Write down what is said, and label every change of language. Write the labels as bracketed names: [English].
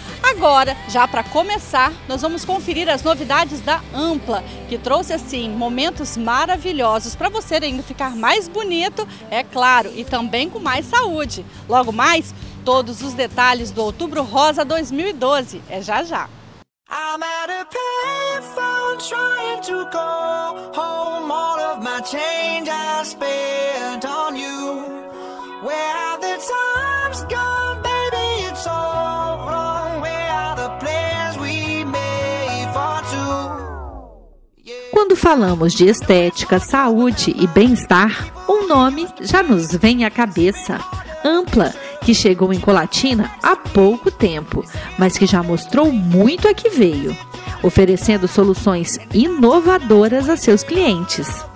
[Portuguese] Agora, já para começar, nós vamos conferir as novidades da Ampla, que trouxe, assim, momentos maravilhosos para você ainda ficar mais bonito, é claro, e também com mais saúde. Logo mais, todos os detalhes do Outubro Rosa 2012. É já já. [English] I'm at a payphone trying to call home all of my change I spent on you. Where have the times gone, baby, it's all wrong. Where are the plans we made for two? [Portuguese] Quando falamos de estética, saúde e bem-estar, um nome já nos vem à cabeça. Ampla, que chegou em Colatina há pouco tempo, mas que já mostrou muito a que veio, oferecendo soluções inovadoras a seus clientes.